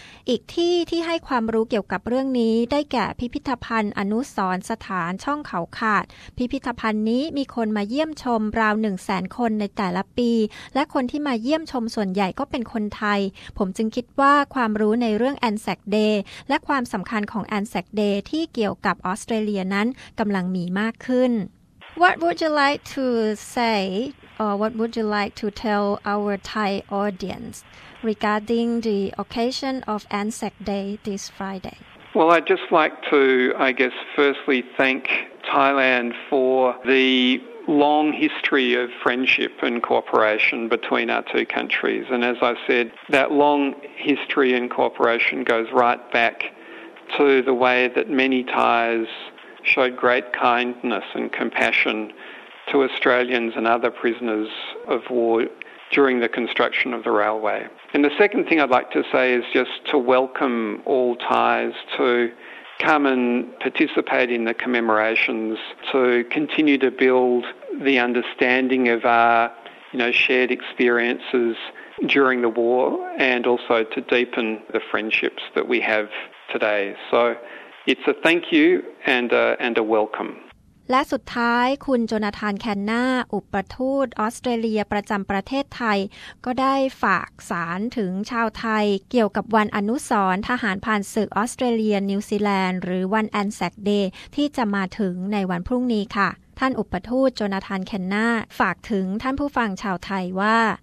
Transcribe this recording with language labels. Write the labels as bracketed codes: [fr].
[th] อีกที่ที่ให้ความรู้เกี่ยวกับเรื่องนี้ได้แก่พิพิธภัณฑ์อนุสรณ์สถานช่องเขาขาดพิพิธภัณฑ์นี้มีคนมาเยี่ยมชมราว100,000คนในแต่ละปีและคนที่มาเยี่ยมชมส่วนใหญ่ก็เป็นคนไทยผมจึงคิดว่าความรู้ในเรื่อง Anzac Day และความสำคัญของ Anzac Day ที่เกี่ยวกับออสเตรเลียนั้นกำลังมีมากขึ้น [en] What would you like to say or what would you like to tell our Thai audience regarding the occasion of Anzac Day this Friday? Well, I'd just like to, I guess, firstly thank Thailand for the... long history of friendship and cooperation between our two countries. And as I said, that long history and cooperation goes right back to the way that many Thais showed great kindness and compassion to Australians and other prisoners of war during the construction of the railway. And the second thing I'd like to say is just to welcome all Thais to... come and participate in the commemorations to continue to build the understanding of our, you know, shared experiences during the war and also to deepen the friendships that we have today. So it's a thank you and a welcome. [th] และสุดท้ายคุณโจนาธานแคนนาอุปทูตออสเตรเลียประจำประเทศไทยก็ได้ฝากสารถึงชาวไทยเกี่ยวกับวันอนุสรณ์ทหารผ่านศึกออสเตรเลียนิวซีแลนด์หรือวัน Anzac Day ที่จะมาถึงในวันพรุ่งนี้ค่ะท่านอุปทูตโจนาธานแคนนาฝากถึงท่านผู้ฟังชาวไทยว่า